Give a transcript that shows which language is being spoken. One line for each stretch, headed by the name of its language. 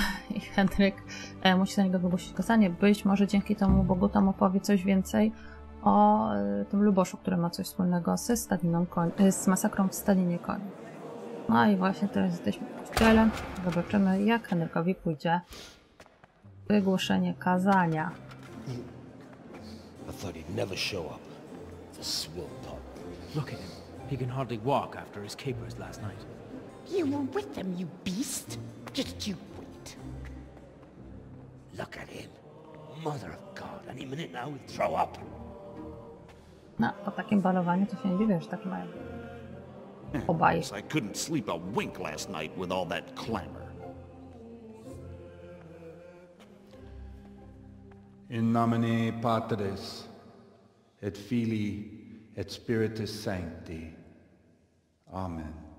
Polish: I Henryk musi za niego wygłosić kazanie. Być może dzięki temu Bogutom opowie coś więcej o tym Luboszu, który ma coś wspólnego ze stadniną koń, z masakrą w stadninie koń. No i właśnie teraz jesteśmy w kościele. Zobaczymy, jak Henrykowi pójdzie wygłoszenie kazania.
English: I thought he'd never show up. The swill pot. Look at him. He can hardly walk after his capers last night. You were with them, you beast. Just you wait. Look at him. Mother of God, any minute now he'll throw up.
Polish: No, po takim balowaniu to się nie dziwię, że tak mają. Obaj.
English: I couldn't sleep a wink last night with all that clamor.
Latin: In nomine Patris, et Filii, et Spiritus Sancti. Amen.